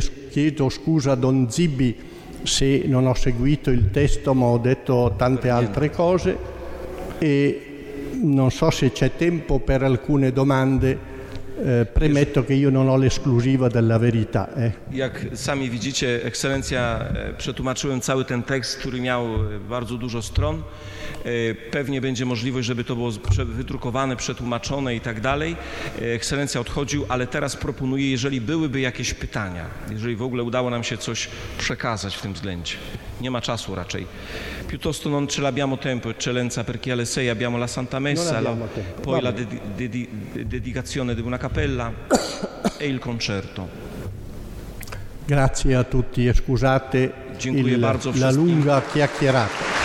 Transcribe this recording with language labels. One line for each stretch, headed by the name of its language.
Italian: Chiedo scusa a Don Zibi se non ho seguito il testo, ma ho detto tante altre cose. E non so se c'è tempo per alcune domande. Premetto che io non ho l'esclusiva della verità.
Polish: Jak sami widzicie, ekscelencja, przetłumaczyłem cały ten tekst, który miał bardzo dużo stron. Pewnie będzie możliwość, żeby to było wydrukowane, przetłumaczone i tak dalej. Ekscelencja odchodził, ale teraz proponuję, jeżeli byłyby jakieś pytania, jeżeli w ogóle udało nam się coś przekazać w tym względzie. Nie ma czasu raczej.
Italian: Piuttosto non ce l'abbiamo tempo, eccellenza, perché alle 6 abbiamo la Santa Messa, poi la dedicazione di una cappella e il concerto. Grazie a tutti e scusate la lunga chiacchierata.